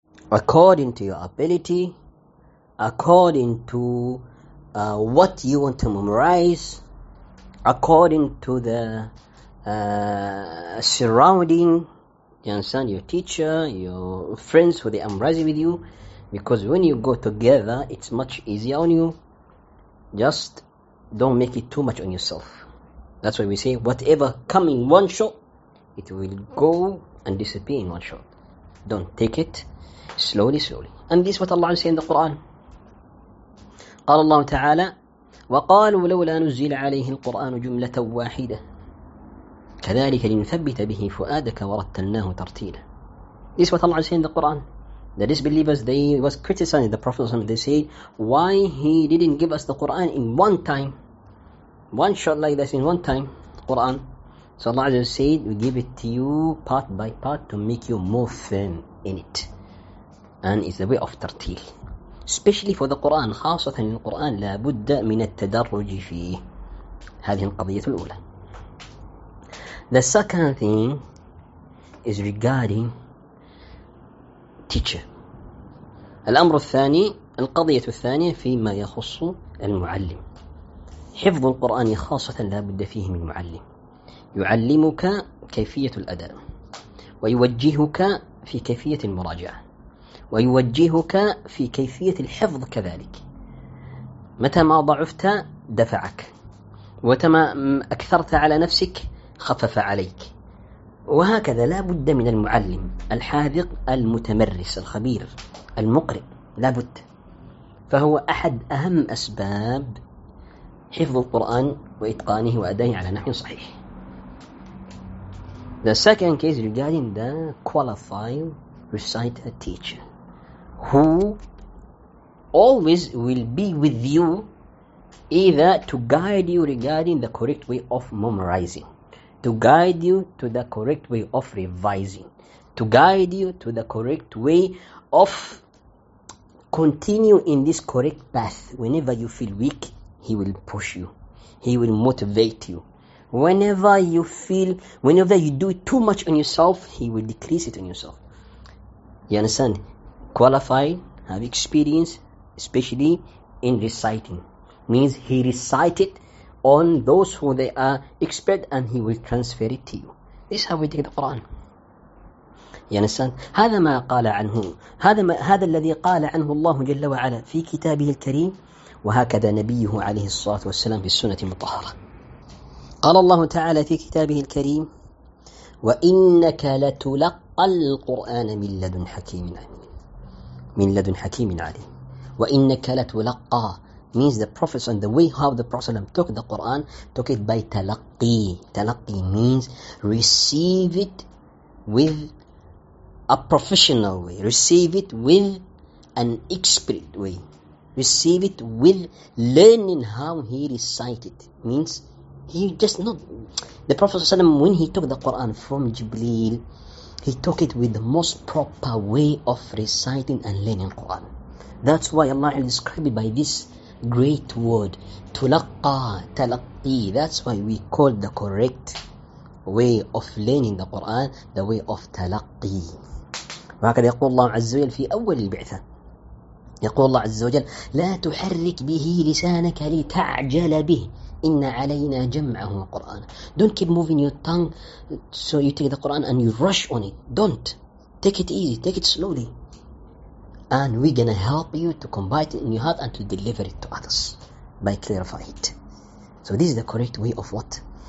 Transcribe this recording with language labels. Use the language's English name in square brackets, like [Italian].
[English] According to your ability, according to what you want to memorize, according to the surrounding, you understand, your teacher, your friends who they are memorizing with you, because when you go together, it's much easier on you. Just don't make it too much on yourself. That's why we say, whatever come in one shot, it will go and disappear in one shot. Don't take it slowly, slowly. And this is what Allah says in the Quran. [Arabic] قال الله تعالى وقالوا لولا نزل عليه القرآن جملة واحدة كذلك لنثبت به فؤادك ورتلناه ترتيلا. [English] This is what Allah says in the Quran. The disbelievers, they was criticizing the Prophet. They say, why he didn't give us the Quran in one time, one shot like this in one time, Quran. So Allah Azza said, we give it to you part by part to make you more firm in it. And it's the way of tartil. Especially for the Quran, [Arabic] خاصة للقرآن لا بد من التدرج فيه. هذه القضية الأولى. [English] The second thing is regarding teacher. [Arabic] الأمر الثاني، القضية الثانية فيما يخص المعلم. حفظ القرآن خاصة لا بد فيه من معلم. يعلمك كيفية الأداء، ويوجهك في كيفية المراجعة، ويوجهك في كيفية الحفظ كذلك. متى ما ضعفت دفعك، وتما أكثرت على نفسك خفف عليك، وهكذا. لا بد من المعلم الحاذق المتمرس الخبير المقرئ، لا بد. فهو أحد أهم أسباب حفظ القرآن وإتقانه وأدائه على نحو صحيح. [English] The second case regarding the qualified reciter teacher who always will be with you, either to guide you regarding the correct way of memorizing, to guide you to the correct way of revising, to guide you to the correct way of continue in this correct path. Whenever you feel weak, he will push you, he will motivate you. Whenever you feel, whenever you do too much on yourself, he will decrease it on yourself. You understand? Qualified, have experience, especially in reciting. Means he recite it on those who they are expert, and he will transfer it to you. This is how we take the Quran. You understand? [Arabic] هذا ما قال عنه، هذا الذي قال عنه الله جل وعلا في كتابه الكريم، وهكذا نبيه عليه الصلاة والسلام في السنة المطهرة. قال الله تعالى في كتابه الكريم وإنك لتلقى القرآن من لدن حكيم عليم، من لدن حكيم عليم. وإنك لتلقى [English] means the prophet and the way how the prophet took the Quran, took it by تلقي. تلقي means receive it with a professional way, receive it with an expert way, receive it with learning how he recited. Means he just not the Prophet ﷺ, when he took the Quran from Jibreel, he took it with the most proper way of reciting and learning Quran. That's why Allah described it by this great word tulaqqa, talaqqi. That's why we call the correct way of learning the Quran the way of talaqqi. [Arabic] وهكذا يقول الله عز وجل في أول البعثة، يقول الله عز وجل لا تحرك به لسانك لتعجل به إن علينا جمعه القرآن. [English] Don't keep moving your tongue so you take the Quran and you rush on it. Don't. Take it easy, take it slowly. And we're going to help you to combat it in your heart and to deliver it to others by clarifying it. So this is the correct way of what?